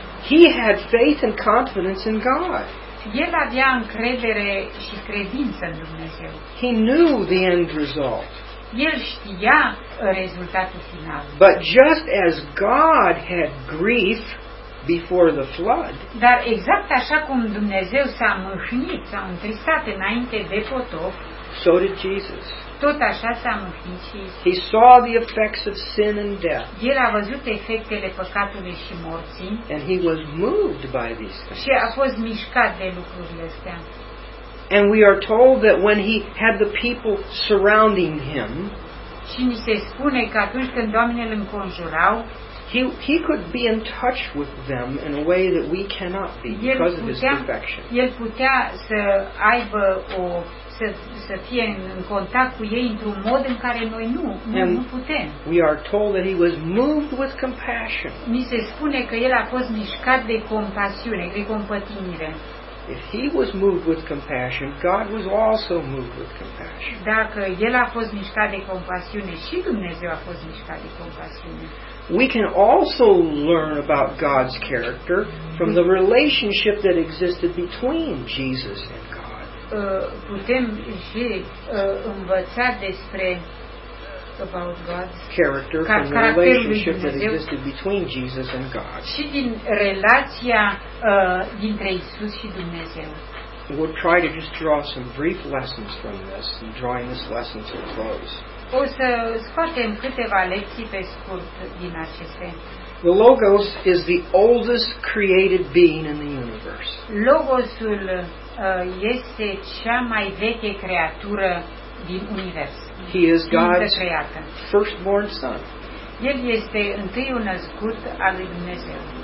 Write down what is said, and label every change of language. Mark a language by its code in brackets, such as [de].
[en] He had faith and confidence in God. [ro] El avea încredere și credință în Dumnezeu. [en] He knew the end result. [ro] El știa rezultatul final. [en] But just as God had grief before the flood. [ro] Dar exact așa cum Dumnezeu s-a mâhnit, s-a întristat înainte de potop. [en] So did Jesus. [ro] Tot așa s-a mâhnit și Isus. [en] He saw the effects of sin and death. [ro] El a văzut efectele păcatului și morții. [en] And he was moved by these things. [ro] Și a fost mișcat de lucrurile astea. [en] And we are told that when he had the people surrounding him, [ro] și ni se spune că atunci când Doamne îl înconjurau, [en] he could be in touch with them in a way that we cannot be because of his perfection. [ro] El putea să aibă să fie în contact cu ei într-un mod în care noi nu putem. [en] We are told that he was moved with compassion. [ro] Ni se spune că el a fost mișcat de compasiune, de compătimire. [en] If he was moved with compassion, God was also moved with compassion. [ro] Dacă el a fost mișcat de compasiune, și Dumnezeu a fost mișcat de compasiune. [en] We can also learn about God's character from the relationship that existed between Jesus and God. [ro] Putem și învăța despre [en] about God's character from the relationship that existed between Jesus and God. [ro] Și din relația dintre Isus și Dumnezeu. [en] We'll try to just draw some brief lessons from this and drawing this lesson to a close. [ro] O să scoatem câteva lecții pe scurt din aceste. [en] The Logos is the oldest created being in the universe. [ro] Logosul este cea mai veche creatură din univers. [en] He is God's firstborn son. [ro] El este întâiul născut al lui Dumnezeu.